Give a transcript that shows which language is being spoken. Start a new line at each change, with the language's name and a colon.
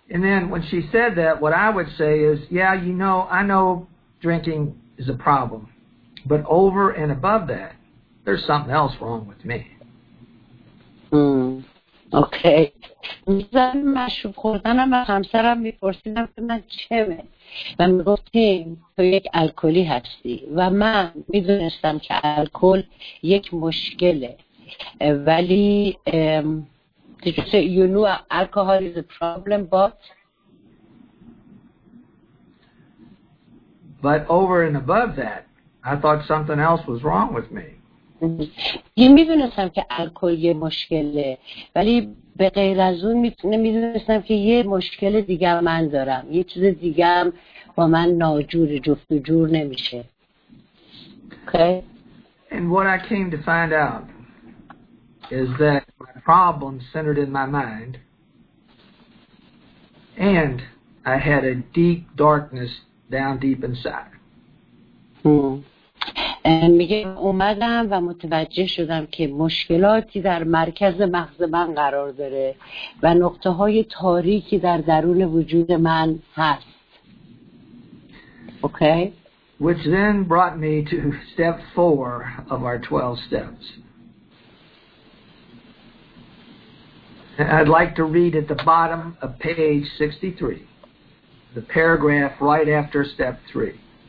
English: And then when she said that, what I would say is, yeah, you know, I know drinking is a problem. But over and above that, there's something else wrong with me. Okay.
Persian: من مشروب خوردنم و همسرم میپرسیدم که من چمه و میگفتیم تو یک الکلی هستی و من میدونستم که الکل یک مشکله ولی
English: did you say you knew alcohol is a problem but over and above that I thought something else was wrong with me.
Persian: میدونستم که الکل یه مشکله ولی به غیر از اون میدونستم که یه مشکل دیگه من دارم، یه چیز دیگه هم با من ناجوره، جفت و جور نمیشه.
English: Okay. And what I came to find out is that my problem centered in my mind and I had a deep darkness down deep inside.
Persian: میگه اومدم و متوجه شدم که مشکلاتی در مرکز مغز من قرار داره و نقطه های تاریکی در درون وجود من هست.
English: Okay. Which then brought me to step 4 of our 12 steps. I'd like to read at the bottom of page 63, the paragraph right after step 3.